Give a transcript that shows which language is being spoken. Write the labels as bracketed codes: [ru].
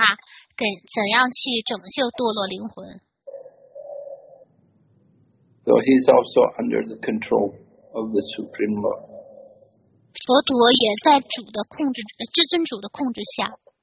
[zh] 主在佛陀的心中指导着他，怎样去拯救堕落灵魂。 [en] So he's also under the control of the Supreme Lord. [zh] 佛陀也在主的控制，至尊主的控制下。